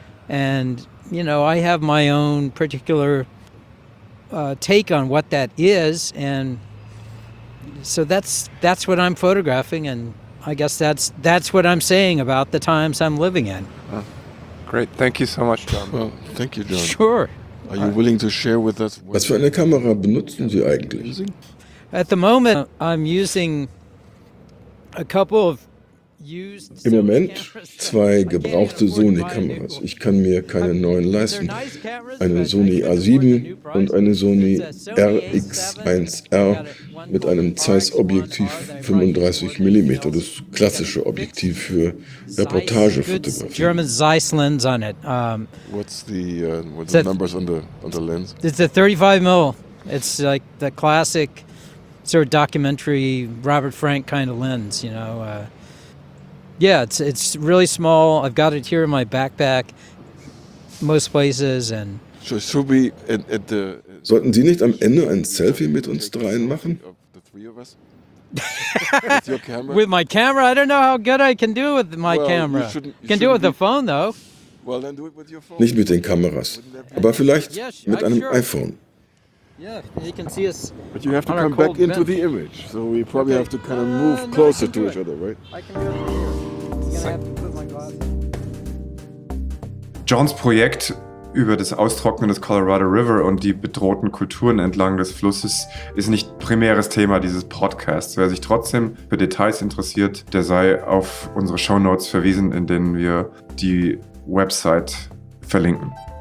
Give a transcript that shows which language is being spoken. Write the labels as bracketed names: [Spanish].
[English] And, you know, I have my own particular take on what that is, and So that's what I'm photographing, and I guess that's what I'm saying about the times I'm living in. Great, thank you so much, John. Well, thank you, John. Sure. Are you willing to share with us? [German] Was für eine Kamera benutzen Sie eigentlich? [English] At the moment, I'm using a couple of used [German] Im Moment zwei gebrauchte Sony-Kameras. Ich kann mir keine neuen leisten. Eine Sony A7 und eine Sony RX1R mit einem Zeiss-Objektiv 35 mm, das klassische Objektiv für Reportagefotografie. [English] German Zeiss lens on it. What's the numbers on the lens? It's a 35 mm. It's like the classic sort of documentary Robert Frank kind of lens, you know. Yeah, it's really small. I've got it here in my backpack most places and so should we at the [German] sollten Sie nicht am Ende ein Selfie mit uns dreien machen? [English] With my camera? I don't know how good I can do with my camera. Can do it with the phone though. Well, then do it with your phone. [German] Nicht mit den Kameras, aber vielleicht mit einem iPhone. [English] Yeah, you can see us. But you have to come back into the image. So we probably have to kind of move closer to each other, right? I can do it. [German] Johns Projekt über das Austrocknen des Colorado River und die bedrohten Kulturen entlang des Flusses ist nicht primäres Thema dieses Podcasts. Wer sich trotzdem für Details interessiert, der sei auf unsere Shownotes verwiesen, in denen wir die Website verlinken.